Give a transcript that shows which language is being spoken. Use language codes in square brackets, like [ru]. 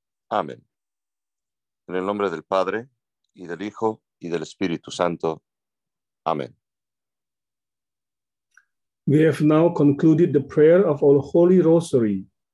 [en] Amen. [es] En el nombre del Padre, y del Hijo, y del Espíritu Santo. Amen. [en] We have now concluded the prayer of our Holy Rosary.